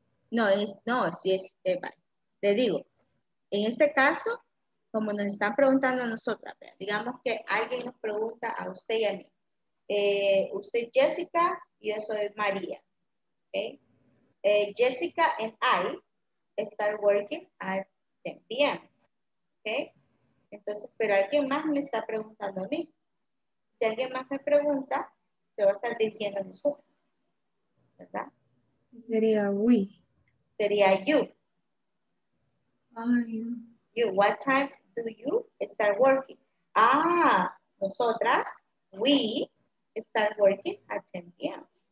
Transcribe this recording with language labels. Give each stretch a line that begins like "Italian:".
Spanish: No, es, no, si es, le digo, en este caso, como nos están preguntando a nosotras, digamos que alguien nos pregunta a usted y a mí, usted es Jessica y yo soy María, okay?
English: Jessica and I start working at 10 p.m., okay?
Spanish: Entonces, pero alguien más me está preguntando a mí. Si alguien más me pregunta, se va a estar dirigiendo a nosotros, ¿verdad? Sería we. Sería you. Ay.
English: You, what time do you start working?
Spanish: Ah, nosotras,
English: we start working at 10 p.m.